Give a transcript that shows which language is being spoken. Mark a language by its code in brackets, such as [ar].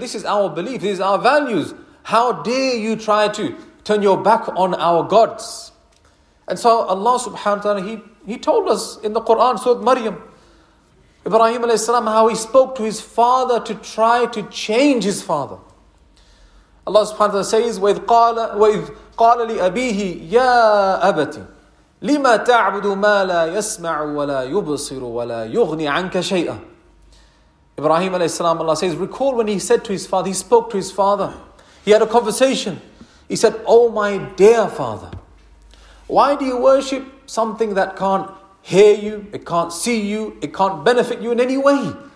[en] This is our belief, these are our values. How dare you try to turn your back on our gods? And so Allah subhanahu wa ta'ala, he told us in the Quran, Surah Maryam, Ibrahim alayhi salam, how he spoke to his father to try to change his father. Allah subhanahu wa ta'ala says, [ar] وَإِذْ قَالَ لِأَبِيهِ يَا أَبَتِ لِمَا تَعْبُدُ مَا لَا يَسْمَعُ وَلَا يُبْصِرُ وَلَا يُغْنِ عَنْكَ شَيْئًا. [en] Ibrahim alayhi salam, Allah says, recall when he said to his father, he spoke to his father. He had a conversation. He said, oh my dear father, why do you worship something that can't hear you, it can't see you, it can't benefit you in any way?